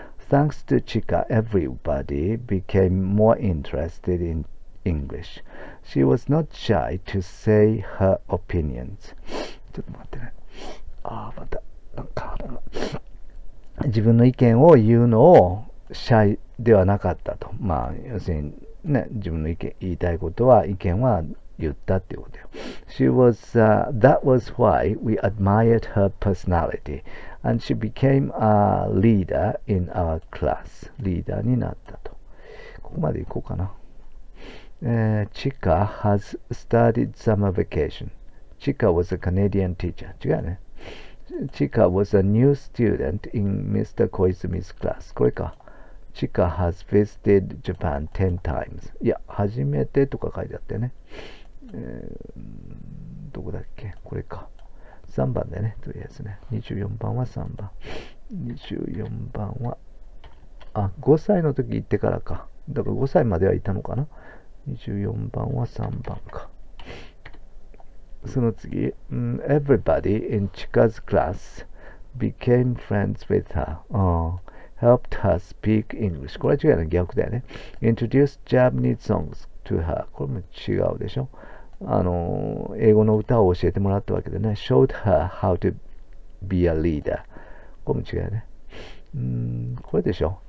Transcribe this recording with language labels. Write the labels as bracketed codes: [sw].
[en] thanks to Chika, everybody became more interested in English. She was not shy to say her opinions. [ja] ちょっと待ってね。ああ、また、なんか、自分の意見を言うのをシャイではなかったと。まあ、要するに、ね、自分の意見、言いたいことは、意見は言ったっていうことよ。 [en] She was, that was why we admired her personality, and she became a leader in our class. [ja] リーダーになったと。ここまで行こうかな。 [en] Chika has studied summer vacation. Chika was a Canadian teacher. [ja] 違うね。 [en] Chika was a new student in Mr. Koizumi's class. [ja] これか。 [en] Chika has visited Japan 10 times. [ja] いや、初めてとか書いてあってね。どこだっけ？これか。3番でね、とりあえずね。 24番は3番。 24番は、あ、5歳の時行ってからか。だから5歳まではいたのかな。 24番は3番か。その次、 [en] everybody in Chika's class became friends with her. Helped her speak English. [ja] これは違うね、逆だよね。 [en] Introduced Japanese songs to her. [ja] これも違うでしょ。英語の歌を教えてもらったわけでね。 [en] Showed her how to be a leader. [ja] これも違うね。これでしょ。